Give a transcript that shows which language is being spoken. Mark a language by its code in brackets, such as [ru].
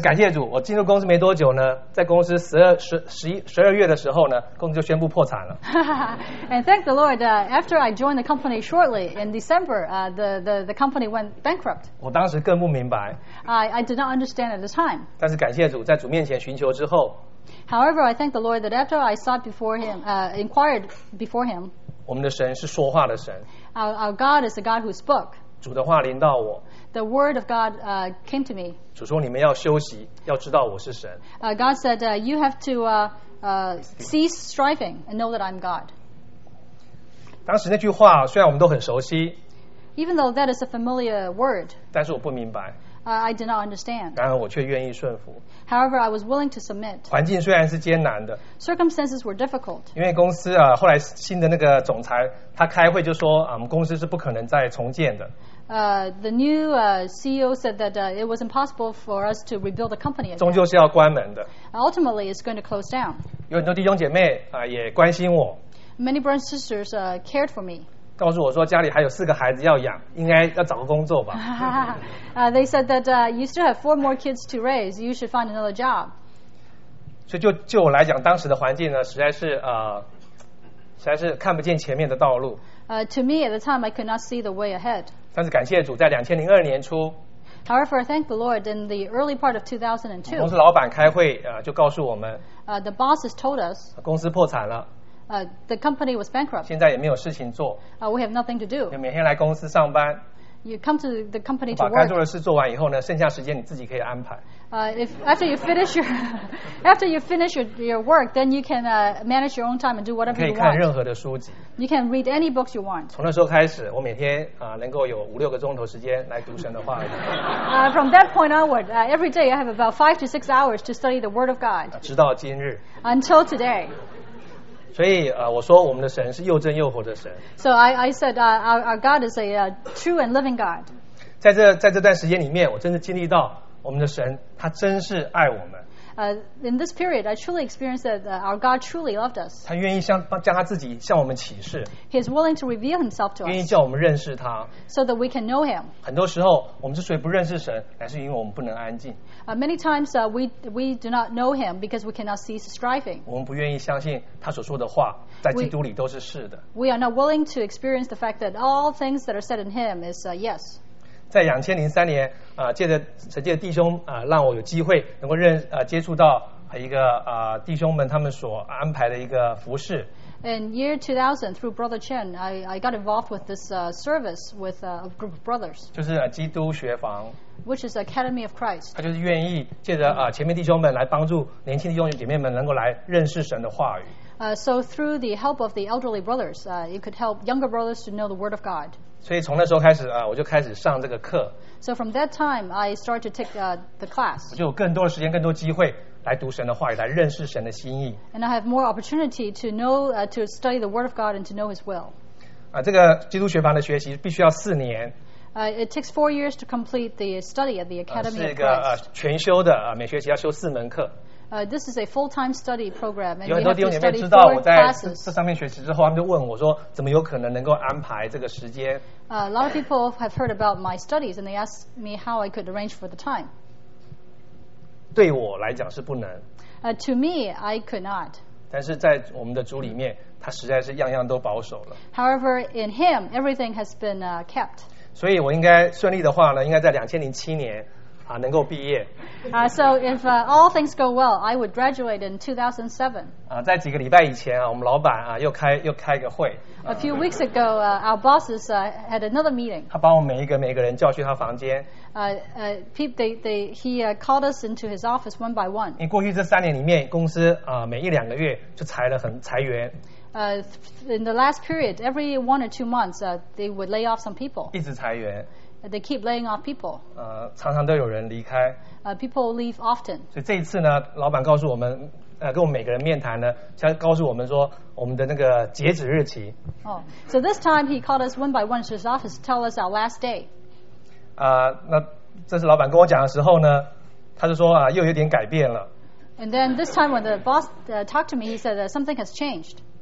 [zh] 感谢主，我进入公司没多久呢，在公司十二月的时候呢，公司就宣布破产了。 [en] And thank the Lord, after I joined the company shortly in December, the company went bankrupt. [zh] 我当时更不明白。 [en] I did not understand at the time. [zh] 但是感谢主，在主面前寻求之后。 [en] However, I thank the Lord that after I sought before Him, inquired before Him, [zh] 我们的神是说话的神。 [en] Our God is the God who spoke. [zh] 主的话临到我。 [en] The word of God came to me. [zh] 主说你们要休息，要知道我是神。 [en] God said, you have to cease striving and know that I'm God. [zh] 当时那句话虽然我们都很熟悉。 [en] Even though that is a familiar word. [zh] 但是我不明白。 [en] I did not understand. [zh] 然而我却愿意顺服。 [en] However, I was willing to submit. [zh] 环境虽然是艰难的。 [en] Circumstances were difficult. [zh] 因为公司后来新的那个总裁他开会就说我们公司是不可能再重建的。 [en] The new CEO said that it was impossible for us to rebuild the company again. [zh] 终究是要关门的。 [en] Ultimately, it's going to close down. [zh] 有很多弟兄姐妹也关心我。 [en] Many brothers and sisters cared for me. [zh] 告诉我说家里还有四个孩子要养，应该要找个工作吧。 [en] They said that you still have four more kids to raise. You should find another job. [zh] 所以就我来讲，当时的环境呢，实在是实在是看不见前面的道路。 [en] To me at the time, I could not see the way ahead. [zh] 但是感谢主，在2002年初。 [en] However, thank the Lord, in the early part of 2002, [zh] 公司老板开会，就告诉我们。 [en] The bosses told us. [zh] 公司破产了。 [en] The company was bankrupt. [zh] 现在也没有事情做。 [en] We have nothing to do. [zh] 你每天来公司上班。 [en] You come to the company to work. [zh] 把该做的事做完以后呢，剩下时间你自己可以安排。 [en] If after you finish your after you finish your work, then you can manage your own time and do whatever you want. [zh] 可以看任何的书籍。 [en] You can read any books you want. [zh] 从那时候开始，我每天能够有五六个钟头时间来读神的话语。 [en] From that point onward, every day I have about 5 to 6 hours to study the Word of God. [zh] 直到今日。 [en] Until today. [zh] 所以我说我们的神是又真又活的神。 [en] So I said our God is a true and living God. [zh] 在这段时间里面，我真的经历到我们的神他真是爱我们。 [en] In this period, I truly experienced that our God truly loved us. [zh] 他愿意将他自己向我们启示。 [en] He is willing to reveal himself to us. [zh] 愿意叫我们认识他。 [en] So that we can know him. [zh] 很多时候我们之所以不认识神，乃是因为我们不能安静。 [en] Many times we do not know him because we cannot cease striving. [zh] 我们不愿意相信他所说的话在基督里都是是的。 [en] We are not willing to experience the fact that all things that are said in him is yes. [zh] 在2003年借着神迹的弟兄让我有机会能够接触到一个弟兄们他们所安排的一个服事。 [en] In year 2000, through Brother Chen, I got involved with this service with a group of brothers. [zh] 就是基督学房。 [en] Which is Academy of Christ. [zh] 他就是愿意借着前面弟兄们来帮助年轻弟兄姐妹们能够来认识神的话语。 [en] So through the help of the elderly brothers, it could help younger brothers to know the Word of God. [zh] 所以从那时候开始我就开始上这个课。 [en] So from that time, I started to take the class. [zh] 我就有更多的时间，更多机会来读神的话语，来认识神的心意。 [en] And I have more opportunity to know, to study the Word of God and to know His will. [zh] 这个基督学房的学习必须要四年。 [en] It takes 4 years to complete the study at the Academy of Christ. [zh] 是一个全修的每学期要修四门课。 [en] This is a full-time study program. [zh] 有很多弟兄姐妹知道我在这上面学习之后，他们就问我说：“怎么有可能能够安排这个时间？” [en] A lot of people have heard about my studies, and they ask me how I could arrange for the time. [zh] 对我来讲是不能。 [en] To me, I could not. [zh] 但是在我们的主里面，他实在是样样都保守了。 [en] However, in Him, everything has been kept. [zh] 所以我应该顺利的话呢，应该在2007年。能够毕业。 [en] So if all things go well, I would graduate in 2007. [zh] 在几个礼拜以前我们老板又开个会。 [en] A few weeks ago, our bosses had another meeting. [zh] 他把我们每一个人叫去他房间。 [en] He called us into his office one by one. [zh] 你过去这三年里面，公司每一两个月就裁员。 [en] In the last period, every 1 or 2 months, they would lay off some people. [zh] 一直裁员。 [en] They keep laying off people. [zh] 常常都有人离开。 [en] People leave often. [zh] 所以这一次呢，老板告诉我们，跟我们每个人面谈呢，先告诉我们说我们的那个截止日期。 [en] So this time he called us one by one to his office to tell us our last day. [zh] 那这是老板跟我讲的时候呢，他就说又有点改变了。 [en] And then this time when the boss talked to me, he said that something has changed.